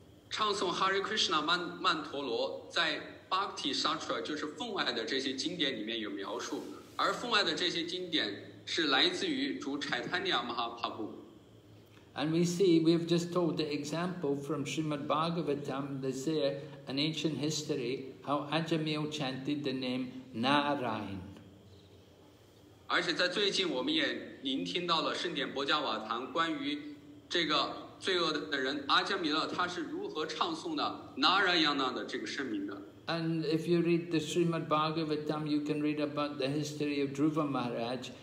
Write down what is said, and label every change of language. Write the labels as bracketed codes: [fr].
[zh] 唱诵 Hare Krishna mantra 在 Bhakti Shastra 就是分外的这些经典里面有描述，而分外的这些经典是来自于主 Chaitanya Mahaprabhu. [en] And we see, we have just told the example from Srimad Bhagavatam, that's there, an ancient history, how Ajamil chanted the name Narayan. [zh] 而且在最近我们也聆听到了圣典波迦瓦谭关于这个罪恶的人阿加米勒他是如何唱诵的Narayana的这个圣名的。 [en] And if you read the Srimad Bhagavatam, you can read about the history of Dhruva Maharaj.